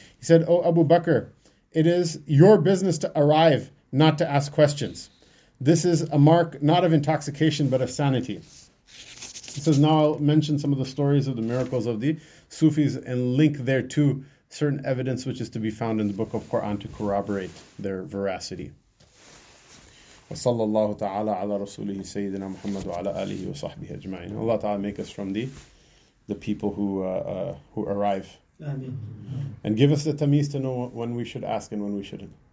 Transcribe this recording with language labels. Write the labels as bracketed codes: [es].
[en] He said, O Abu Bakr, it is your business to arrive, not to ask questions. This is a mark not of intoxication, but of sanity. He says, now I'll mention some of the stories of the miracles of the Sufis and link thereto certain evidence which is to be found in the Book of Quran to corroborate their veracity. [ar] وصلى الله تعالى على رسوله سيدنا محمد وعلى آله وصحبه أجمعين. [en] Allah Ta'ala make us from the people who arrive. Amen. And give us the tamiz to know when we should ask and when we shouldn't.